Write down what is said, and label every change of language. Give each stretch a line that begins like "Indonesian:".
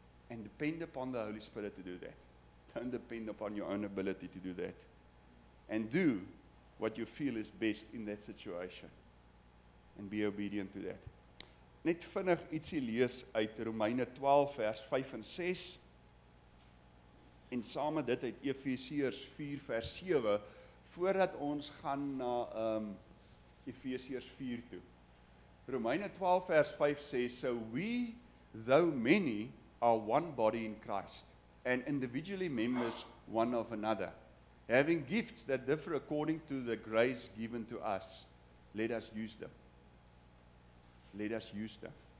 English: And depend upon the Holy Spirit to do that. Don't depend upon your own ability to do that. And do what you feel is best in that situation. And be obedient to that.
Afrikaans: Net vinnig ietsie lees uit Romeine 12 vers 5 en 6. En same dit uit Efesiërs 4 vers 7, voordat ons gaan na Efesiërs 4 toe. Romeine 12 vers 5 sê,
English: so we, though many, are one body in Christ, and individually members one of another, having gifts that differ according to the grace given to us. Let us use them. Let us use them.